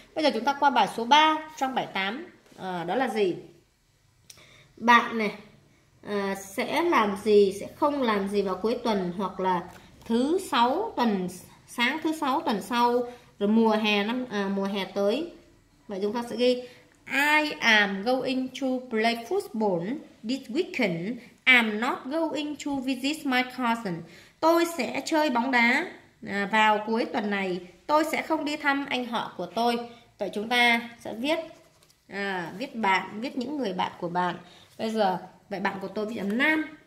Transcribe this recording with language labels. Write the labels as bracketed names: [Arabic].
[Vietnamese] Bây giờ chúng ta qua bài số 3, trang 78. Đó là gì? Bạn này sẽ làm gì, sẽ không làm gì vào cuối tuần, hoặc là thứ 6 tuần, sáng thứ 6 tuần sau, rồi mùa hè tới. Vậy chúng ta sẽ ghi [English] I am going to play football this weekend. I'm not going to visit my cousin. [Vietnamese] Tôi sẽ chơi bóng đá vào cuối tuần này. Tôi sẽ không đi thăm anh họ của tôi. Vậy chúng ta sẽ viết viết bạn, viết những người bạn của bạn. Bây giờ, vậy bạn của tôi viết là Nam.